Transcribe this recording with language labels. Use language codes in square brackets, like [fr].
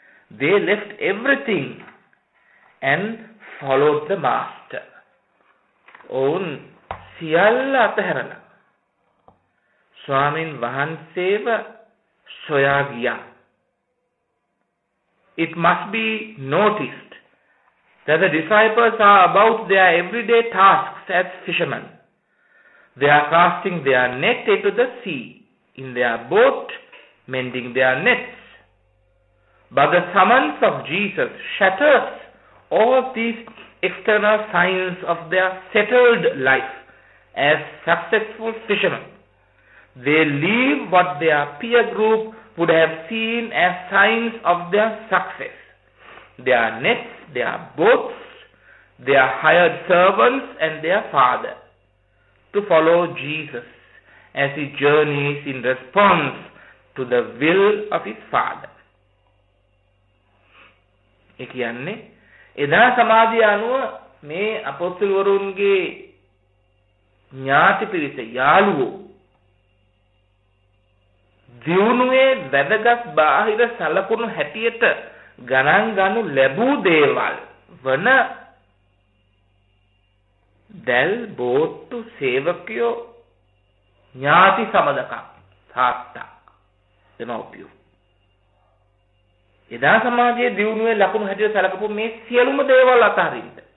[en] they left everything and followed the master [si] ඔවුන් සියල්ල අතහැරලා ස්වාමින් වහන්සේව සොයා ගියා [en] it must be noticed That the disciples are about their everyday tasks as fishermen. They are casting their net into the sea, in their boat, mending their nets. But the summons of Jesus shatters all these external signs of their settled life as successful fishermen. They leave what their peer group would have seen as signs of their success. Their nets, their boats, their hired servants, and their father to follow Jesus as he journeys in response to the will of his father. [si] ඒ කියන්නේ එදා සමාධිය අනුව මේ අපොස්තුල්වරුන්ගේ ඥාති පිරිස යාළුවෝ දියුණුවේ වැදගත් බාහිර සලකුණු හැටියට ගණන් ගනු ලැබූ දේවල් වන දැල් බෝට්ටු සේවකයෝ ඥාති සමදකම් තාත්තා දෙමව්පියෝ එදා සමාජයේ දියුණුවේ ලකුණු හැටියට සැලකපු මේ සියලුම දේවල් අතහරින්න